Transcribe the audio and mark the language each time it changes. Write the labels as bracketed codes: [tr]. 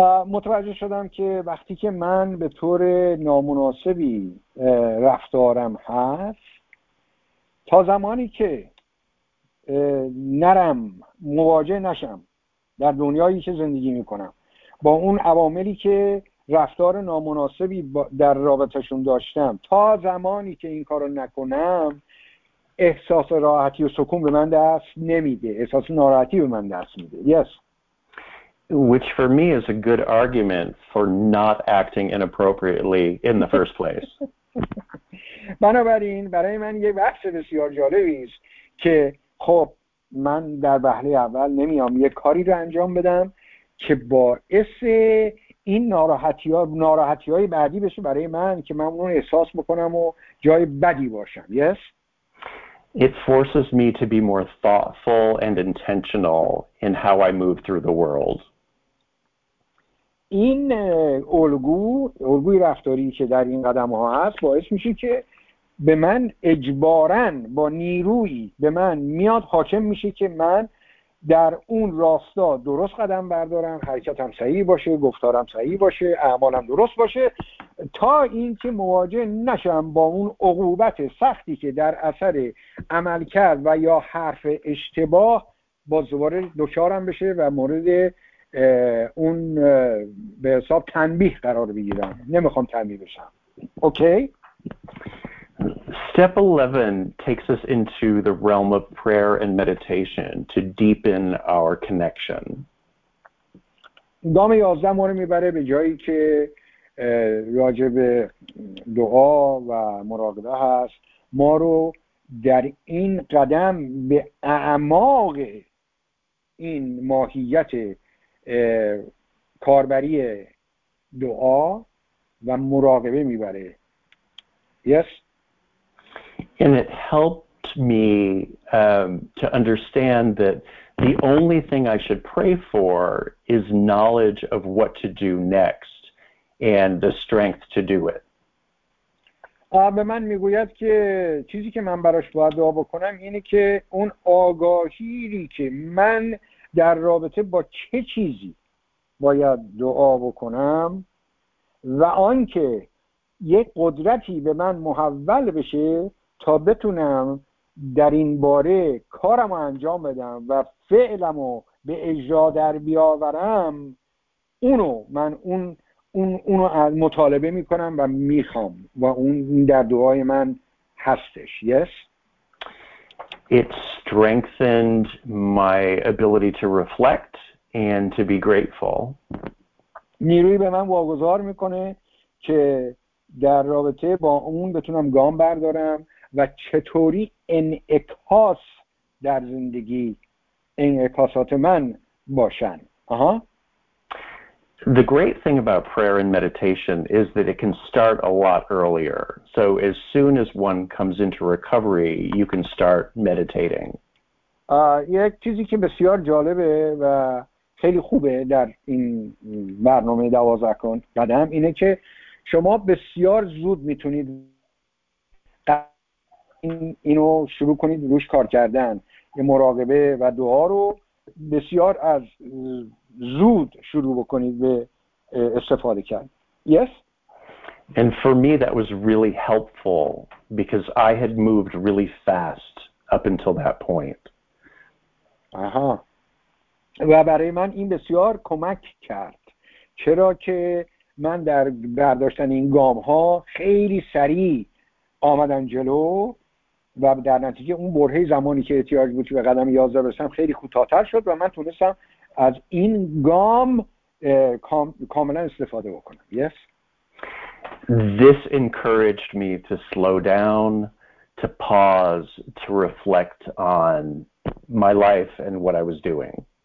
[fa] متوجه شدم که وقتی که من به طور نامناسبی رفتارم هست، تا زمانی که نرم مواجه نشم در دنیایی که زندگی میکنم با اون عواملی که رفتار نامناسبی در رابطشون داشتم، تا زمانی که این کارو نکنم احساس راحتی و سکون به من دست نمیده، احساس ناراحتی به من دست میده. [en] Yes. Which for me is a good argument for not acting inappropriately in the first place. [fa] بنابراین برای من یه بحث بسیار جالبی است که خب من در وهله اول نمیام یه کاری رو انجام بدم که باعث این ناراحتی‌های بعدی بشه برای من که من اون احساس بکنم و جای بدی باشم. [en] Yes. It forces me to be more thoughtful and intentional in how I move through the world. [fa] این الگوی رفتاری که در این قدم‌ها هست باعث میشه که به من اجباراً با نیرویی به من میاد حاکم میشه که من در اون راستا درست قدم بردارم، حرکتم صحیح باشه، گفتارم صحیح باشه، اعمالم درست باشه، تا اینکه مواجه نشم با اون عقوبت سختی که در اثر عمل کرد و یا حرف اشتباه باز دوباره دچارم بشه و مورد اون به حساب تنبیه قرار بگیرم. نمیخوام تنبیه بشم. اوکی. [en] Step 11 takes us into the realm of prayer and meditation to deepen our connection. [fa] گام 11 ما رو میبره به جایی که راجع به دعا و مراقبه هست. ما رو در این قدم به اعماق این ماهیت کاربری دعا و مراقبه میبره. [en] Yes. And it helped me to understand that the only thing I should pray for is knowledge of what to do next and the strength to do it. [fa] به من میگوید که چیزی که من براش باید دعا بکنم اینه که اون آگاهی که من در رابطه با چه چیزی باید دعا بکنم و آن که یک قدرتی به من محول بشه تا بتونم در این باره کارم رو انجام بدم و فعلم رو به اجرا در بیاورم، اونو من اونو مطالبه میکنم و میخوام و اون در دعای من هستش. [en] Yes. It strengthened my ability to reflect and to be grateful. [fa] نیروی به من واگذار میکنه که در رابطه با اون بتونم گام بردارم و چطوری انعکاس در زندگی انعکاسات من باشن. آها. [en] The great thing about prayer and meditation is that it can start a lot earlier. So as soon as one comes into recovery, you can start meditating. [fa] یک چیزی که بسیار جالبه و خیلی خوبه در این برنامه دوازده کن قدم اینه که شما بسیار زود میتونید اینو شروع کنید روش کار کردن، مراقبه و دعا رو بسیار از زود شروع بکنید به استفاده کرد. [en] Yes. And for me that was really helpful because I had moved really fast up until that point. آها. [fa] و برای من این بسیار کمک کرد. چرا که من در برداشتن این گام ها خیلی سریع آمدم جلو و در نتیجه اون برهه زمانی که احتیاج بود به قدم 11 برسم خیلی کوتاه‌تر شد و من تونستم از این گام کاملا استفاده بکنم. [en] Yes. This encouraged me to slow down, to pause, to reflect on my life and what I was doing.